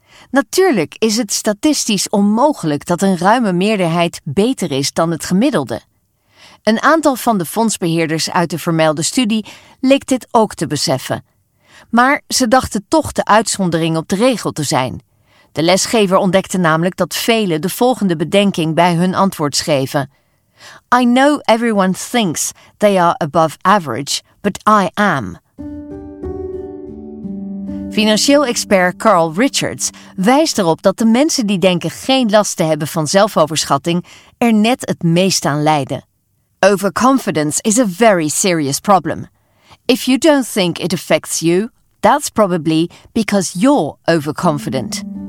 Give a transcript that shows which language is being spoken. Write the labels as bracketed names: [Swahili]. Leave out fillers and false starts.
[Dutch] Natuurlijk is het statistisch onmogelijk dat een ruime meerderheid beter is dan het gemiddelde. Een aantal van de fondsbeheerders uit de vermelde studie leek dit ook te beseffen. Maar ze dachten toch de uitzondering op de regel te zijn. De lesgever ontdekte namelijk dat velen de volgende bedenking bij hun antwoord schreven. [English] I know everyone thinks they are above average, but I am. [Dutch] Financieel expert Carl Richards wijst erop dat de mensen die denken geen last te hebben van zelfoverschatting er net het meest aan lijden. [English] Overconfidence is a very serious problem. If you don't think it affects you, that's probably because you're overconfident.